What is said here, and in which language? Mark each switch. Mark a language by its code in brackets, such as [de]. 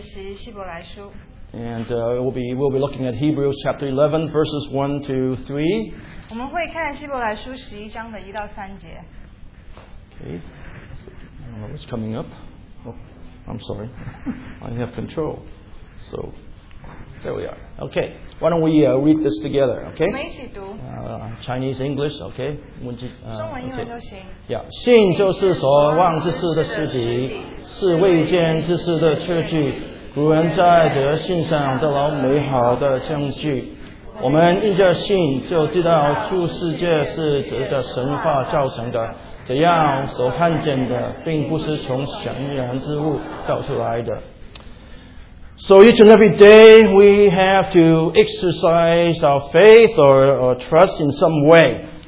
[en] And we'll be looking at Hebrews chapter 11, verses 1 to 3. [zh] 我们会看希伯来书十一章的一到三节。 [en] Okay. What's coming up? Oh, I'm sorry. I have control. So, there we are. Okay, why don't we read this together, okay? [zh] 我们一起读。 [en] Chinese, English, okay? [zh] 中文英文都行。 Yeah, 信就是所望之事的实底，是未见之事的确据，古人在得信上得到美好的证据。我们因着信就知道出世界是指着神话造成的，怎样所看见的并不是从显然之物造出来的。 [en] So each and every day we have to exercise our faith or trust in some way.